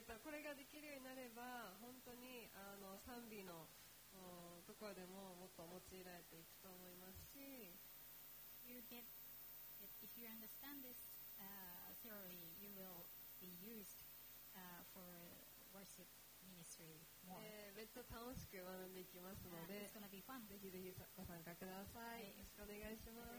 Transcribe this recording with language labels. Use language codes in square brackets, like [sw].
[ja] はい、これができるようになれば本当に賛美のところでももっと用いられていくと思いますし、 [en] you get it, if you understand this theory, you will be used for worship ministry more. [ja] めっちゃ楽しく学んでいきますので、 [en] it's gonna be fun. [ja] ぜひぜひご参加ください。よろしくお願いします。